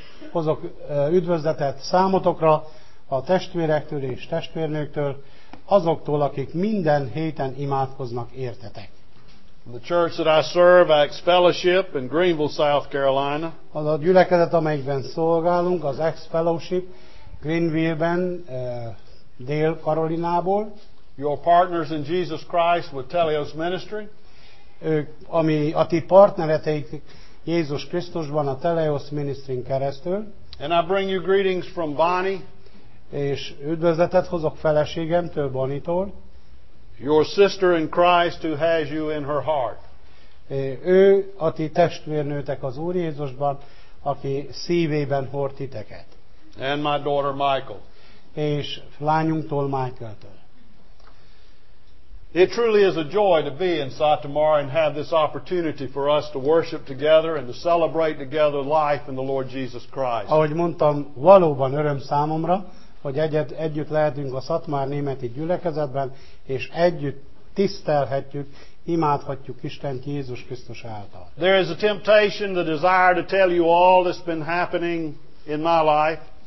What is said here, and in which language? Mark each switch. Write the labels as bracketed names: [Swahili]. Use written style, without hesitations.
[Hungarian] Hozok üdvözletet számotokra, a testvérektől és testvérnőktől, azoktól, akik minden héten imádkoznak értetek. [English] The church that I serve, Acts Fellowship in Greenville, South Carolina. [Hungarian] Az a gyülekezet, amelyikben szolgálunk, az Acts Fellowship Greenville-ben, Dél-Karolinából. [English] Your partners in Jesus Christ with Telios Ministry. [Hungarian] Ők, ami a ti partnereteik Jézus Krisztusban a Telios Ministryn keresztül. [English] And I bring you greetings from Bonnie. [Hungarian] És üdvözletet hozok feleségemtől, Bonnie-tól. [English] Your sister in Christ who has you in her heart. [Hungarian] Ő a ti testvérnőtek az Úr Jézusban, aki szívében hord titeket. [English] And my daughter Michael. [Hungarian] És lányunktól Michael-től. [English] It truly is a joy to be in Satomar and have this opportunity for us to worship together and to celebrate together life in the Lord Jesus Christ. [Hungarian] Ahogy mondtam, valóban öröm számomra, hogy együtt lehetünk a Szatmár Németi gyülekezetben, és együtt tisztelhetjük, imádhatjuk Istent Jézus Krisztus által. [English] There is a temptation, the desire to tell you all that's been happening in my life.